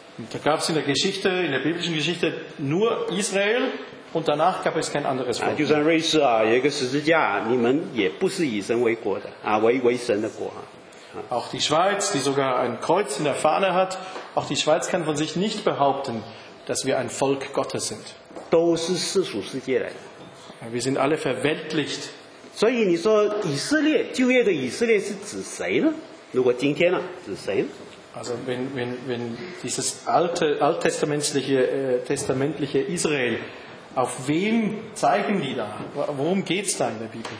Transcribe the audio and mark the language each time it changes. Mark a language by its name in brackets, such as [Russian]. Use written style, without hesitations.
[German] Da gab es in der Geschichte, in der biblischen Geschichte nur Israel und danach gab es kein anderes Volk. [Chinese] 就算瑞士啊，有一个十字架，你们也不是以神为国的啊，为神的国啊。 [German] Auch die Schweiz, die sogar ein Kreuz in der Fahne hat, auch die Schweiz kann von sich nicht behaupten, dass wir ein Volk Gottes sind. [Chinese] 都是世俗世界来的。 [German] Wir sind alle verweltlicht. [Chinese] 所以你说以色列，旧约的以色列是指谁呢？如果今天呢，指谁呢？ [German] Also wenn dieses alttestamentliche Israel, auf wem zeigen die da? Worum geht es da in der Bibel?